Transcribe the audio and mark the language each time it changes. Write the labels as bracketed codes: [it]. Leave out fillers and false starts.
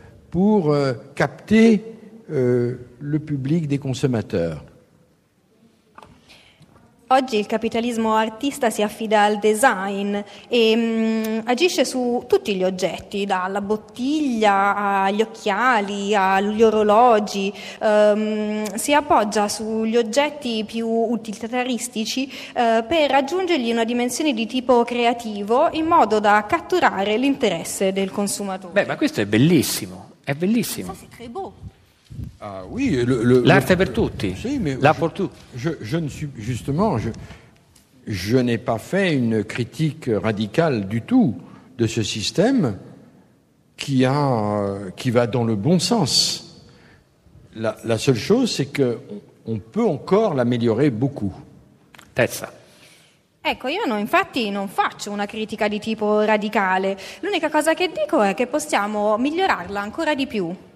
[fr] pour capter le public des consommateurs. [it] Oggi il capitalismo artista si affida al design e agisce su tutti gli oggetti, dalla bottiglia agli occhiali, agli orologi, si appoggia sugli oggetti più utilitaristici per raggiungergli una dimensione di tipo creativo in modo da catturare l'interesse del consumatore. Beh, ma questo è bellissimo, è bellissimo. [fr] Ça, c'est très beau. Ah, oui, le, [it] l'arte per tutti, sì, [fr] mais la pour tout. Je ne suis justement, je n'ai pas fait une critique radicale du tout de ce système qui va dans le bon sens. La seule chose, c'est que on peut encore l'améliorer beaucoup. [it] Terza. Ecco, io no, infatti non faccio una critica di tipo radicale. L'unica cosa che dico è che possiamo migliorarla ancora di più.